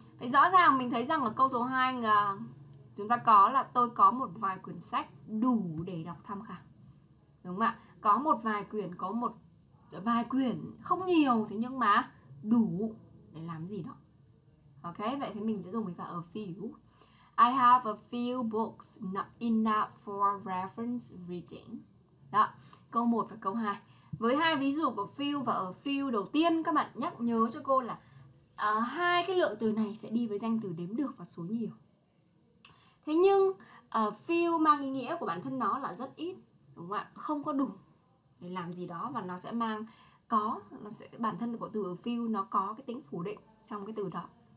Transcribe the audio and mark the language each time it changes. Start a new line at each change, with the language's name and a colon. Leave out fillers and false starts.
Vietnamese: Rõ ràng mình thấy rằng ở câu số 2 chúng ta có là tôi có một vài quyển sách đủ để đọc tham khảo. Đúng không ạ? Có một vài quyển, có một vài quyển không nhiều thế nhưng mà đủ để làm gì đó. Ok, vậy thì mình sẽ dùng với cả a few.
English: I have a few books, not enough for reference reading.
Vietnamese: Đó, câu 1 và câu 2. Với hai ví dụ của few và a few đầu tiên, các bạn nhắc nhớ cho cô là hai cái lượng từ này sẽ đi với danh từ đếm được và số nhiều. Thế nhưng few mang ý nghĩa của bản thân nó là rất ít, đúng không ạ? Không có đủ để làm gì đó, và nó sẽ mang có, nó sẽ, bản thân của từ a few nó có cái tính phủ định trong cái từ đó.